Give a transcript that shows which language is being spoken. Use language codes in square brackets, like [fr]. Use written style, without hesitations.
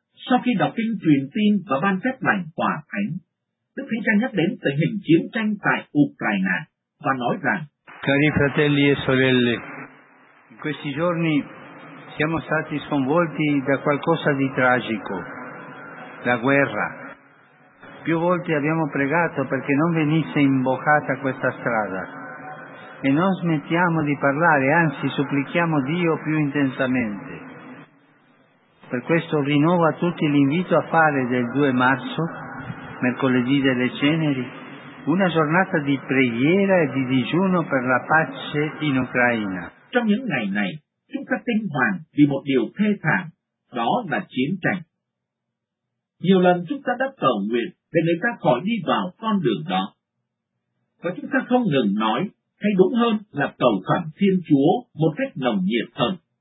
[vi] Sau khi đọc kinh truyền tin và ban phép lành tòa thánh, Đức Thánh Cha nhắc đến tình hình chiến tranh tại Ukraine và nói rằng: [it] Cari fratelli e sorelle, in questi giorni siamo stati sconvolti da qualcosa di tragico, la guerra. Più volte abbiamo pregato perché non venisse imboccata questa strada e non smettiamo di parlare, anzi supplichiamo Dio più intensamente. Per questo rinnovo a tutti l'invito a fare del 2 marzo, mercoledì delle ceneri, una giornata di preghiera e di digiuno per la pace in Ucraina. [vi] Trong những ngày này, chúng ta kinh hoàng vì một điều thê thảm, đó là chiến tranh. Nhiều lần chúng ta đã cầu nguyện để người ta khỏi đi vào con đường đó. Và chúng ta không ngừng nói, hay đúng hơn là cầu khẩn Thiên Chúa một cách nồng nhiệt hơn.